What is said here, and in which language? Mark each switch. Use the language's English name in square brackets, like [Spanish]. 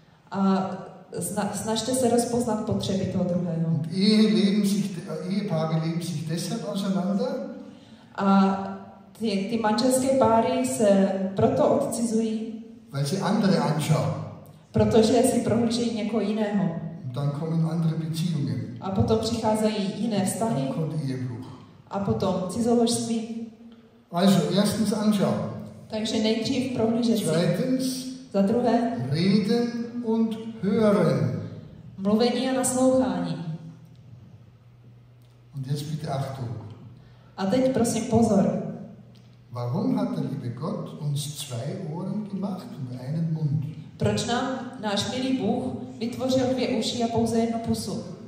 [Czech] A snažte se rozpoznat potřeby toho druhého. [German] Ehepaare leben sich deshalb auseinander. [Czech] A ty manželské páry se proto odcizují. [German] Weil sie andere anschauen. [Czech] Protože si prohlížejí někoho jiného. [German] Dann kommen andere Beziehungen. [Czech] A potom přicházejí jiné vztahy. A potom cizoložství. [German] Also, erstens anschauen. [Czech] Takže nejdřív prohlížet. [German] Zweitens. [Czech] Za druhé. [German] Reden und hören. [Czech] Mluvení a naslouchání. [German] Und jetzt bitte Achtung. [Czech] A teď prosím pozor. [German] Warum hat der liebe Gott uns zwei Ohren gemacht und einen Mund? [Czech] Proč nám náš milý Bůh vytvořil dvě uši a pouze jednu pusu?